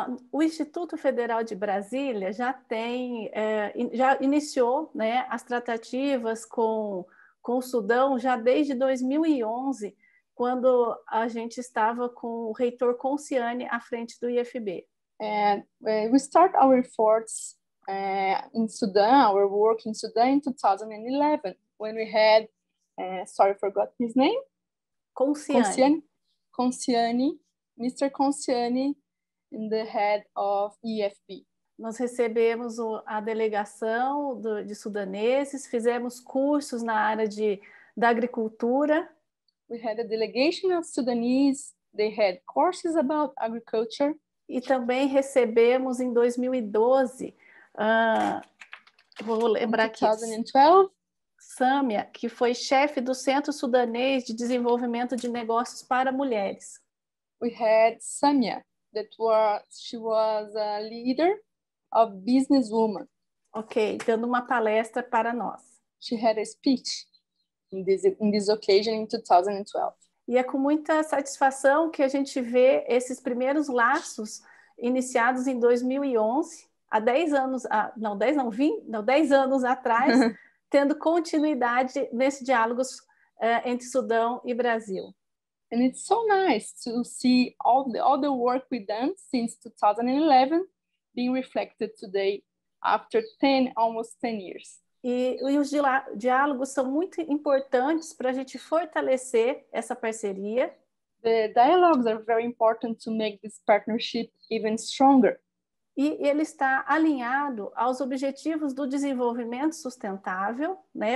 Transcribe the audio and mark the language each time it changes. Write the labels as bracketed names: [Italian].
[Portuguese] O Instituto Federal de Brasília já tem, já iniciou, né, as tratativas com o Sudão já desde 2011, quando a gente estava com o reitor Consiane à frente do IFB. [English] We start our efforts in Sudan, our work in Sudan in 2011, when we had, sorry, forgot his name. [Portuguese] Consiane, [English] Mr. Consiane, in the head of IFB. [Portuguese] Nós recebemos a delegação de sudaneses, fizemos cursos na área da agricultura. [English] We had a delegation of Sudanese, they had courses about agriculture. [Portuguese] E também recebemos em 2012, vou lembrar aqui, 2012, Sâmia, que foi chefe do Centro Sudanês de Desenvolvimento de Negócios para Mulheres. [English] We had Sâmia, she was a leader of business woman. [Portuguese] Ok, dando uma palestra para nós. [English] She had a speech in this occasion in 2012. [Portuguese] E é com muita satisfação que a gente vê esses primeiros laços iniciados em 2011, há 10 anos atrás, tendo continuidade nesse diálogo entre Sudão e Brasil. [English] And it's so nice to see all the work we've done since 2011 being reflected today after 10, almost 10 years. [Portuguese] E os diálogos são muito importantes para a gente fortalecer essa parceria. [English] The dialogues are very important to make this partnership even stronger. [Portuguese] E ele está alinhado aos objetivos do desenvolvimento sustentável, né?